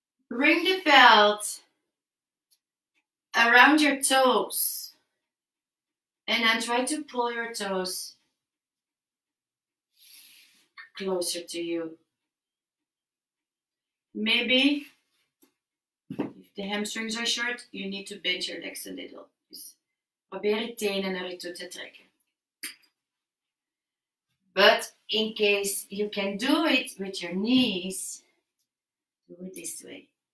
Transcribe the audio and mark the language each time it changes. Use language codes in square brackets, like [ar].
[en] Bring the belt around your toes and then try to pull your toes closer to you. Maybe if the hamstrings are short, you need to bend your legs a little. [nl] Dus probeer je tenen naar je toe te trekken. [en] But in case you can do it with your knees, do it this way.